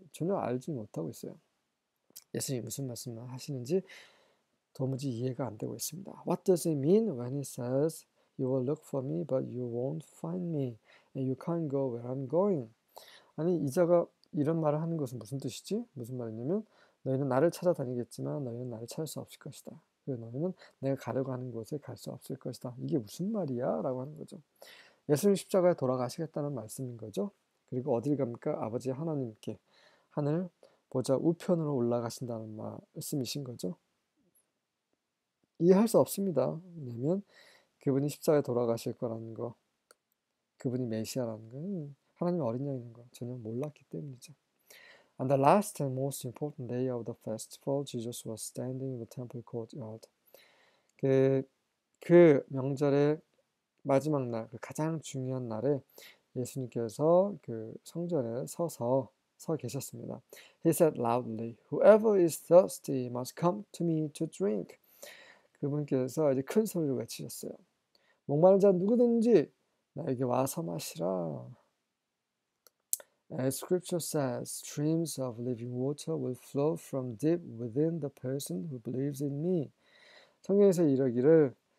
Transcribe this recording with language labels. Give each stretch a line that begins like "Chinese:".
Korean: 전혀 알지 못하고 있어요. 예수님이 무슨 말씀을 하시는지 도무지 이해가 안 되고 있습니다.
English: What does he mean when he says you will look for me but you won't find me and you can't go where I'm going?
Korean: 아니 이자가 이런 말을 하는 것은 무슨 뜻이지? 무슨 말이냐면 너희는 나를 찾아다니겠지만 너희는 나를 찾을 수 없을 것이다. 그리고 너희는 내가 가려고 하는 곳에 갈수 없을 것이다. 이게 무슨 말이야? 라고 하는 거죠. 예수님 십자가에 돌아가시겠다는 말씀인 거죠. 그리고 어딜 갑니까? 아버지 하나님께 하늘 보좌 우편으로 올라가신다는 말씀이신 거죠. 이해할 수 없습니다. 왜냐면 그분이 십자가에 돌아가실 거라는 거, 그분이 메시아라는 건 하나님 어린 양인 거 전혀 몰랐기 때문이죠.
English: On the last and most important day of the festival, Jesus was standing in the temple courtyard.
Korean: 그 명절의 마지막 날, 그 가장 중요한 날에 예수님께서 그 성전에 서 계셨습니다.
English: He said loudly, "Whoever is thirsty must come to me to drink."
Korean: 그분께서 이제 큰 소리로 외치셨어요. 목마른 자 누구든지 나에게 와서 마시라.
English: As scripture says, streams of living water will flow from deep within the person who believes in me.
Korean: 성경에서 이러기를